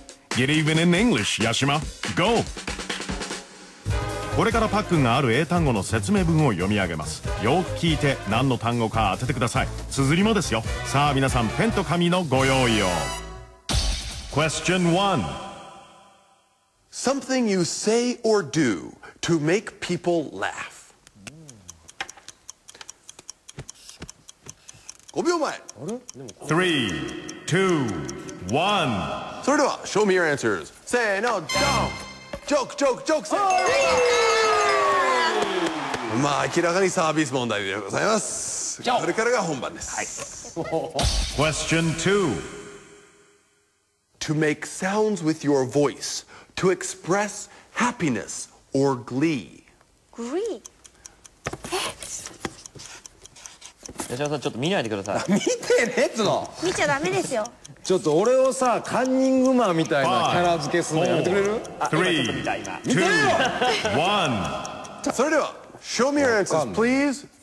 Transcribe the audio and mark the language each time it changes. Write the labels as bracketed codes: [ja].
[en] Get even in English, Yashima. Go! [ja] これからパックンがある英単語の説明文を読み上げます。よく聞いて何の単語か当ててください。綴りもですよ。さあ皆さん、ペンと紙のご用意を。 [en] Question 1: Something you say or do to make people laugh. Three, two, one. So, show me your answers. Say no, jump. Joke, joke, joke. Say. Oh, yeah. [ja] まあ明らかにサービス問題でございます。これからが本番です。はい。 [en] Question two. To make sounds with your voice to express happiness or glee. Glee. [ja] 吉田さん、ちょっと見ないでください。見てねっつの。見ちゃダメですよ。ちょっと俺をさ、カンニングマンみたいなキャラ付けするのやめてくれる？ 3、2、1。 それでは、 [en] show me your answers, please.